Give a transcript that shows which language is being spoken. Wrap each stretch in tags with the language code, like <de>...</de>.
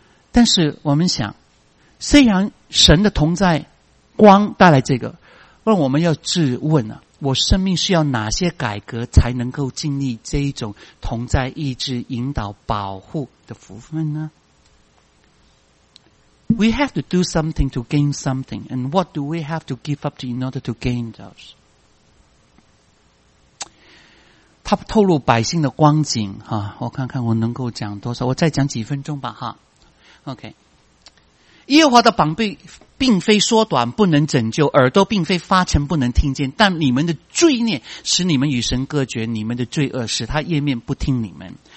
<zh>但是我们想，虽然神的同在光带来这个，问我们要质问啊，我生命需要哪些改革才能够经历这一种同在意志引导保护的福分呢？</zh> <en>We have to do something to gain something， and what do we have to give up to in order to gain those？</en> <zh>他透露百姓的光景哈、啊，我看看我能够讲多少，我再讲几分钟吧哈。 OK， 耶和华的膀臂并非缩短不能拯救，耳朵并非发沉不能听见，但你们的罪孽使你们与神隔绝，你们的罪恶使他掩面不听你们。</zh>